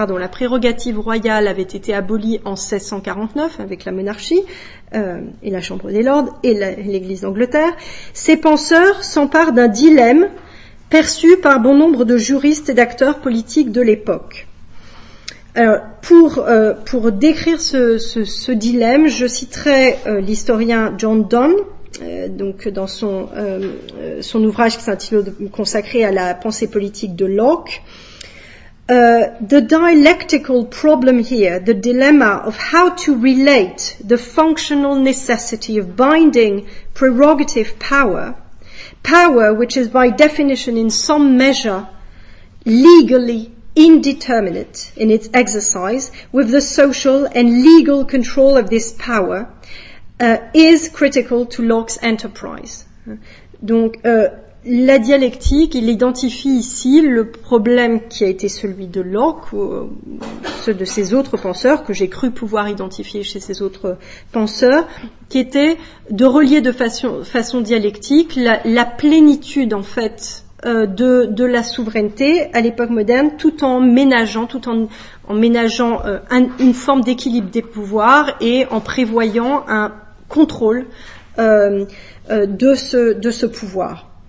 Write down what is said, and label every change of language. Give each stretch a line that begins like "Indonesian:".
French: prérogative royale avait été abolie en 1649 avec la monarchie et la Chambre des Lords et l'Église d'Angleterre, ces penseurs s'emparent d'un dilemme perçu par bon nombre de juristes et d'acteurs politiques de l'époque. Alors, pour décrire ce dilemme, je citerai l'historien John Donne, dans son ouvrage qui s'intitule consacré à la pensée politique de Locke.
English: The dialectical problem here, the dilemma of how to relate the functional necessity of binding prerogative power, power which is by definition in some measure legally indeterminate in its exercise, with the social and legal control of this power, is critical to Locke's enterprise.
French: Donc, la dialectique, il identifie ici le problème qui a été celui de Locke, ou ceux de ses autres penseurs, que j'ai cru pouvoir identifier chez ses autres penseurs, qui était de relier de façon dialectique la plénitude, en fait, de la souveraineté à l'époque moderne, tout en ménageant, une forme d'équilibre des pouvoirs et en prévoyant un contrôle de ce pouvoir.